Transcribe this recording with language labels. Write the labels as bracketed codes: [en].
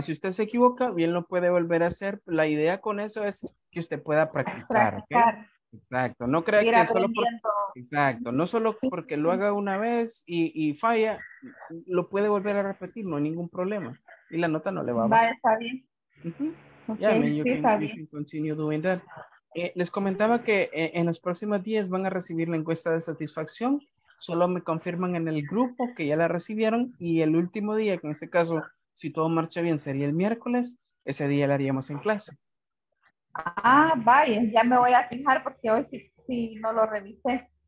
[es] Si usted se equivoca, bien lo puede volver a hacer. La idea con eso es que usted pueda practicar. Practicar. ¿Okay? Exacto, no crea que solo por, exacto, no solo porque lo haga una vez y falla, lo puede volver a repetir, no hay ningún problema. Y la nota no le va a bajar. Vale, está bien. Ya, uh-huh. [en] Okay, yeah, sí, you can continue doing that. [es] Les comentaba que en los próximos días van a recibir la encuesta de satisfacción. Solo me confirman en el grupo que ya la recibieron y el último día, que en este caso, si todo marcha bien, sería el miércoles, ese día la haríamos en clase. Ah, vaya, ya me voy a fijar porque hoy sí no lo revisé.